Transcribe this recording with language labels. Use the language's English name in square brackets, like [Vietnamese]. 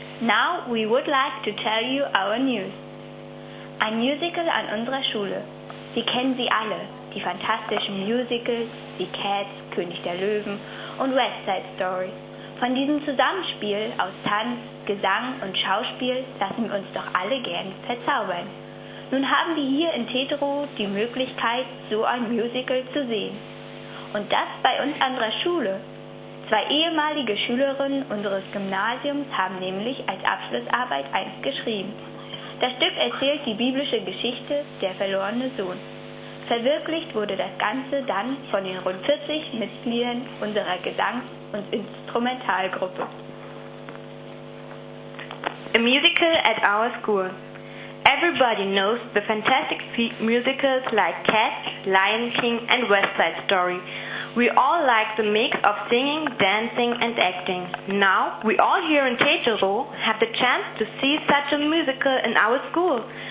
[English] Now we would like to tell you our news. [German] Ein Musical an unserer Schule. Sie kennen sie alle, die fantastischen Musicals wie Cats, König der Löwen und West Side Story. Von diesem Zusammenspiel aus Tanz, Gesang und Schauspiel lassen wir uns doch alle gern verzaubern. Nun haben wir hier in Teterow die Möglichkeit, so ein Musical zu sehen. Und das bei uns an der Schule. Zwei ehemalige Schülerinnen unseres Gymnasiums haben nämlich als Abschlussarbeit eins geschrieben. Das Stück erzählt die biblische Geschichte Der verlorene Sohn. Verwirklicht wurde das Ganze dann von den rund 40 Mitgliedern unserer Gesangs- und Instrumentalgruppe. [English] A musical at our school. Everybody knows the fantastic musicals like Cats, Lion King and West Side Story. We all like the mix of singing, dancing and acting. Now, we all here in Teterow have the chance to see such a musical in our school.